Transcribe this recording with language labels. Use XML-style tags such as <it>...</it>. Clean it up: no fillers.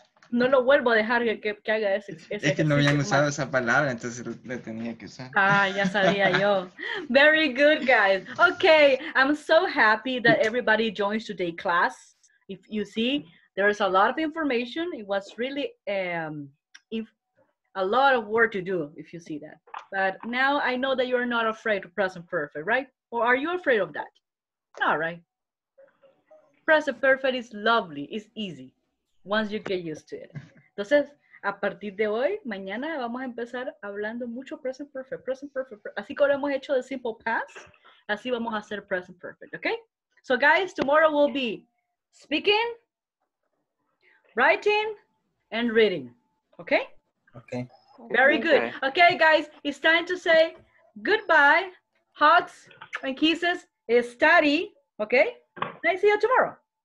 <es>No lo vuelvo a dejar que haga ese. Es que no habían usado esa palabra, entonces le tenía que usar. Ah, ya sabía yo.</es> <en>Very good, guys. Okay, I'm so happy that everybody joins today class. If you see, there is a lot of information. It was really a lot of work to do, if you see that. But now I know that you're not afraid of present perfect, right? Or are you afraid of that? All right. Present perfect is lovely. It's easy. Once you get used to it.</en> <es>Entonces, a partir de hoy, mañana vamos a empezar hablando mucho present perfect. Present perfect. Así como lo hemos hecho de simple past, así vamos a hacer present perfect.</es> <en>Okay? So guys, tomorrow we'll be speaking, writing, and reading. Okay? Okay. Very good. Okay, guys, it's time to say goodbye, hugs, and kisses. Study. Okay? Nice to see you tomorrow.</en>